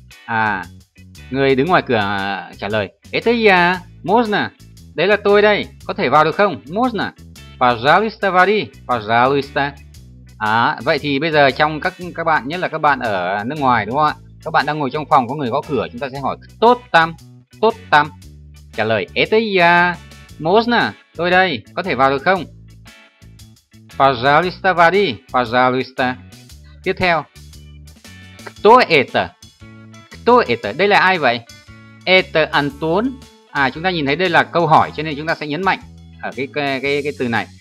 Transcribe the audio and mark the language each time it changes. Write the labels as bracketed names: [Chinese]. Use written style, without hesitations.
[Vietnamese] À, người đứng ngoài cửa trả lời [Russian] это я, можно? [Vietnamese] Đấy là tôi đây, có thể vào được không? [Russian] Можно? Пожалуйста, вари. Пожалуйста. [Vietnamese] À, vậy thì bây giờ trong các bạn, nhất là các bạn ở nước ngoài đúng không ạ? Các bạn đang ngồi trong phòng, có người gõ cửa, chúng ta sẽ hỏi [Russian] кто там? Кто там? [Vietnamese] Trả lời [Russian] это я, можно? [Vietnamese] Tôi đây, có thể vào được không? [Russian] Пожалуйста, вари. Пожалуйста. [Vietnamese] Tiếp theo. [Russian] Кто это? Кто это? [Vietnamese] Đây là ai vậy? [Russian] Это Антон. [Vietnamese] À, chúng ta nhìn thấy đây là câu hỏi cho nên chúng ta sẽ nhấn mạnh ở cái từ này.